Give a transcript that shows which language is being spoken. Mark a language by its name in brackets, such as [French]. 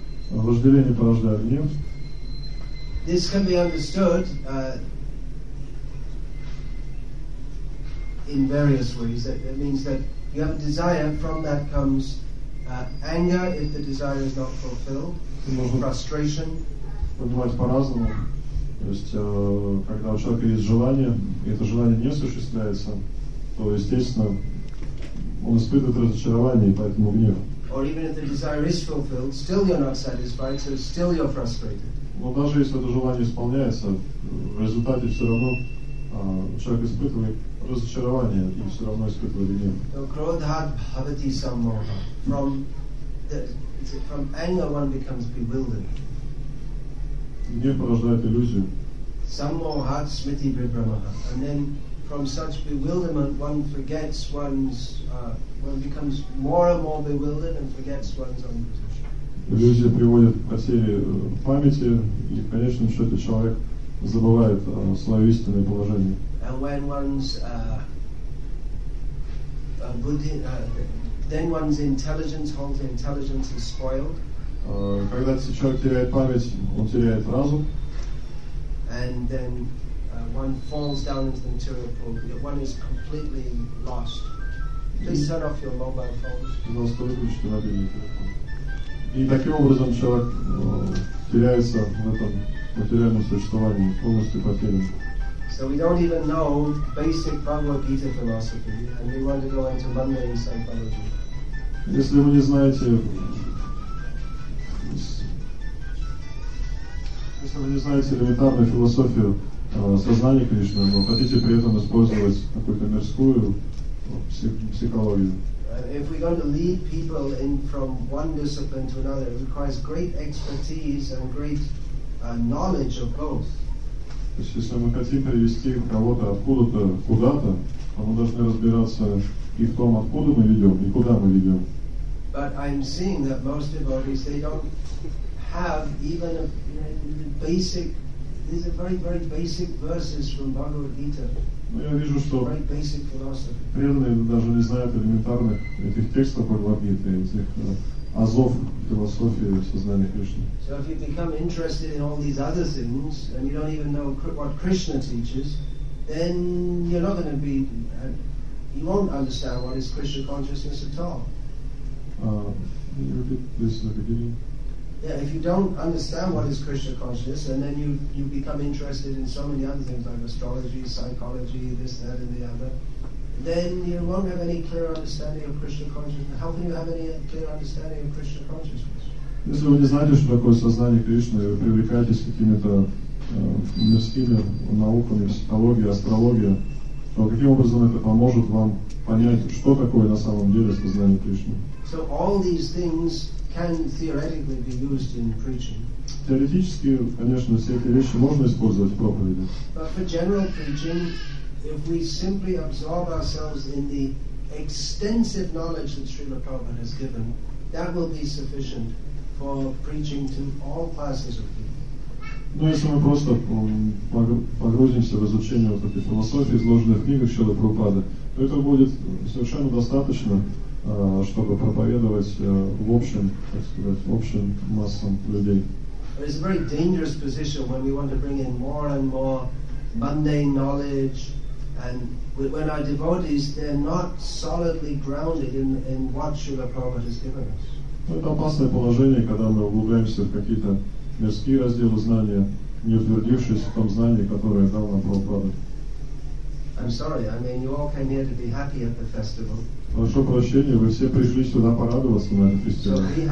[Russian] Вожделение порождает гнев. [English] This can be understood in various ways. That means that you have a desire, from that comes anger if the desire is not fulfilled, frustration. [Russian] Понимать по-разному. То есть, когда у человека есть желание, и это желание не осуществляется, то, естественно, он испытывает разочарование, и поэтому гнев. [English] Or even if the desire is fulfilled, still you're not satisfied, so still you're frustrated. [Russian] Но даже если это желание исполняется, в результате все равно человек испытывает разочарование и все равно испытывает гнев. [Sanskrit] So, krodhat bhavati sammoha. [English] From anger one becomes bewildered. [Russian] Гнев порождает иллюзию. [Sanskrit] Sammohat smiti vibramaha. [English] And then from such bewilderment one forgets one's one becomes more and more bewildered and forgets one's own position. [Russian] Иллюзия приводит к потере памяти, и в конечном счете человек забывает свое истинное положение. [English] And when one's buddhi, then one's intelligence, whole intelligence is spoiled. [Russian] Когда человек теряет память, он теряет разум. [English] And then one falls down into the material pool. One is completely lost. Please turn off your mobile phones. [Russian] Пожалуйста, выключите мобильный телефон. И таким образом человек теряется в этом материальном существовании, полностью потерян. [English] So we don't even know basic Bhagavad Gita philosophy, and we want to go into mundane psychology. [Russian] Если вы не знаете, элементарную философию сознания Кришны, но хотите при этом использовать какую-то мирскую психологию. [English] If we're going to lead people in from one discipline to another, it requires great expertise and great knowledge of both. [Russian] То есть, если мы хотим привести кого-то откуда-то куда-то, то мы должны разбираться и в том, откуда мы ведем, и куда мы ведем. [English] But I'm seeing that most devotees, they don't have even a basic, these are very, very basic verses from Bhagavad Gita. [Russian] Но я вижу, что преданные даже не знают элементарных этих текстов Бхагавад Гиты, этих азов философии сознания Кришны. [English] So if you become interested in all these other things and you don't even know what Krishna teaches, then you're not going to be, you won't understand what is Krishna consciousness at all. Yeah, if you don't understand what is Krishna consciousness, and then you become interested in so many other things like astrology, psychology, this, that, and the other, then you won't have any clear understanding of Krishna consciousness. How can you have any clear understanding of Krishna consciousness? [Russian] Если вы не знаете, что такое сознание Кришны, вы привлекаетесь какими-то мирскими науками, психологией, астрологией, то каким образом это поможет вам понять, что такое на самом деле сознание Кришны? [English] So all these things can theoretically be used in preaching. [Russian] Теоретически, конечно, все эти вещи можно использовать в проповеди. [English] But for general preaching, if we simply absorb ourselves in the extensive knowledge that Srila Prabhupada has given, that will be sufficient for preaching to all classes of people. [Russian] Ну, если мы просто погрузимся в изучение вот этой философии, изложенной в книгах Шрилы Прабхупады, то это будет совершенно достаточно, чтобы проповедовать в общем, так сказать, в общем массам людей. [English] It's a very dangerous position when we want to bring in more and more mundane knowledge, and when our devotees, they're not solidly grounded in what Srila Prabhupada has given us. [Russian] Это опасное положение, когда мы углубляемся в какие-то мирские разделы знания, не утвердившись в том знании, которое дал нам Прабхупада. [English] I'm sorry, I mean, you all came here to be happy at the festival. [Russian] Прошу прощения, вы все пришли сюда порадоваться на этом фестивале.